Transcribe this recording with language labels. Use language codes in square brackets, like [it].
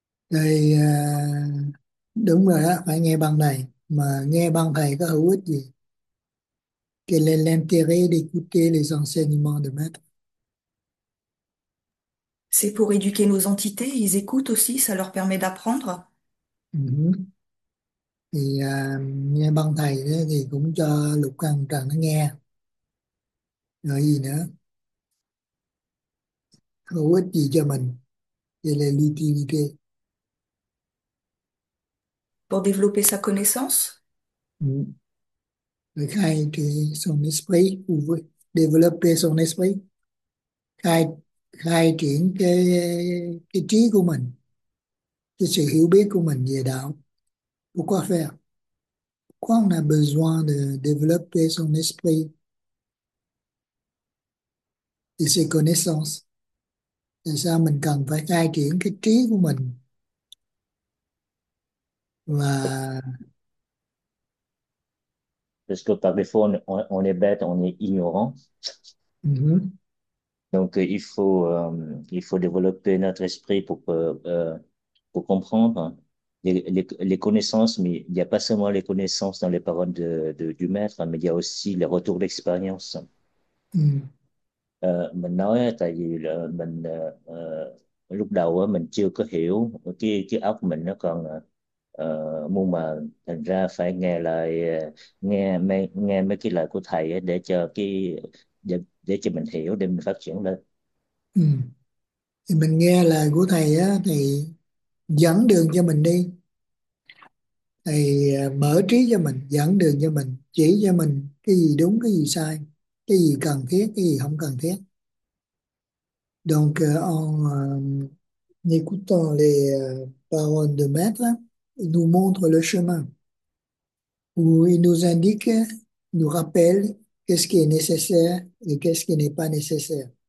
[vi] Đây, đúng rồi đó, phải nghe băng này. Mà nghe băng thầy có hữu ích gì? [fr] Quel est l'intérêt d'écouter les enseignements de maître? C'est pour éduquer nos entités, ils écoutent aussi, ça leur permet d'apprendre. [vi] Thì nghe băng thầy đó, thì cũng cho lục căn trần nó nghe. Rồi gì nữa? Hữu ích gì cho mình? [fr] Quel est Pour développer sa connaissance. l'utilité? [vi] Để khai thì [fr] son esprit, développer son esprit, [vi] khai triển cái trí của mình, cái sự hiểu biết của mình về đạo. [fr] Pourquoi faire? Pourquoi on a besoin de développer son esprit et ses connaissances? [vi] Tại sao mình cần phải khai triển cái trí của mình và [fr] Parce que par défaut, on est bête, on est ignorant. Donc, il faut développer notre esprit pour comprendre les connaissances. Mais il n'y a pas seulement les connaissances dans les paroles du maître, mais il y a aussi les retours d'expérience. [vi] Mình nói tại vì là mình lúc đầu mình chưa có hiểu cái óc mình nó còn mua mà thành ra phải nghe lại nghe mấy cái lời của thầy ấy, để cho mình hiểu, để mình phát triển lên. Thì mình nghe lời của thầy á, thầy dẫn đường cho mình đi, thầy mở trí cho mình, dẫn đường cho mình, chỉ cho mình cái gì đúng cái gì sai, cái gì cần thiết cái gì không cần thiết. [fr] Donc en écoutant les paroles de maître, il nous montre le chemin, où il nous indique, nous rappelle qu'est-ce qui est nécessaire et qu'est-ce qui n'est pas nécessaire.